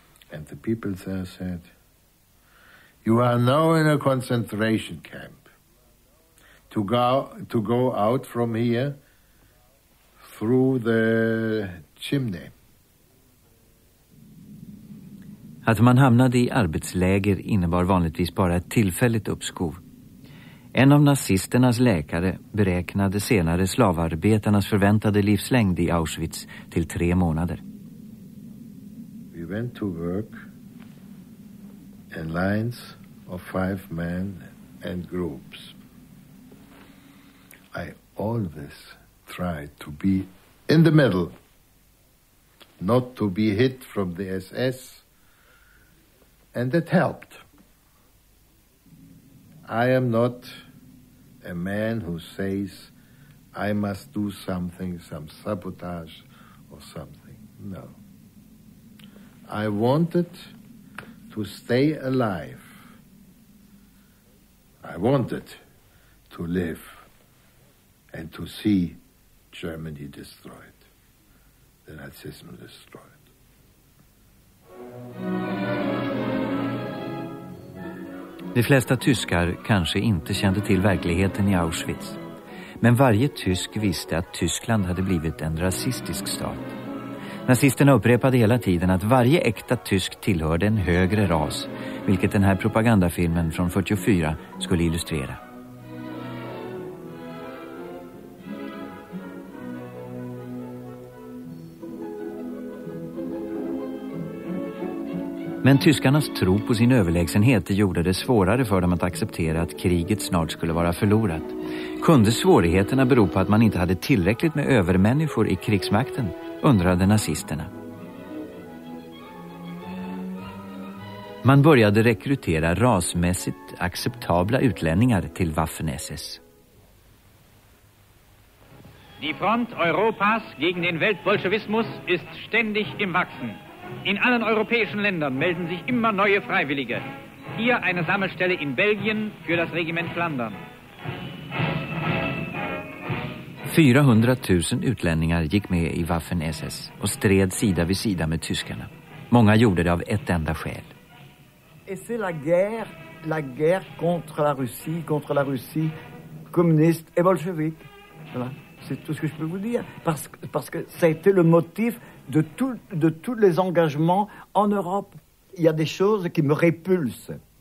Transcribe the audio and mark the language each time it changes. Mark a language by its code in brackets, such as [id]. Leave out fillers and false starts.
[en] And the people there said, you are now in a concentration camp. To go out from here through the chimney. [sv] Att man hamnade i arbetsläger innebar vanligtvis bara ett tillfälligt uppskov. En av nazisternas läkare beräknade senare slavarbetarnas förväntade livslängd i Auschwitz till 3 månader. [en] We went to work in lines of 5 men and groups. I always tried to be in the middle, not to be hit from the SS, and it helped. I am not a man who says I must do something, some sabotage or something. No. I wanted to stay alive. I wanted to live. And to see Germany destroyed, the Nazism destroyed. [sv] De flesta tyskar kanske inte kände till verkligheten i Auschwitz. Men varje tysk visste att Tyskland hade blivit en rasistisk stat. Nazisterna upprepade hela tiden att varje äkta tysk tillhörde en högre ras, vilket den här propagandafilmen från 44 skulle illustrera. Men tyskarnas tro på sin överlägsenhet gjorde det svårare för dem att acceptera att kriget snart skulle vara förlorat. Kunde svårigheterna bero på att man inte hade tillräckligt med övermänniskor i krigsmakten, undrade nazisterna. Man började rekrytera rasmässigt acceptabla utlänningar till Waffen-SS. [de] Die Front Europas gegen den Weltbolschewismus ist ständig im Wachsen. In allen europäischen Ländern melden sich immer neue Freiwillige. Hier eine Sammelstelle in Belgien für das Regiment Flandern. [sv] 400 000 utlänningar gick med i Waffen-SS och stred sida vid sida med tyskarna. Många gjorde det av ett enda skäl. [fr] Et c'est la guerre la guerre contre la Russie, communiste et bolchevique. Voilà. C'est tout ce que je peux vous dire. Parce que ça a été le motif de tous les engagements en Europe. Il y a des choses qui me répulsent.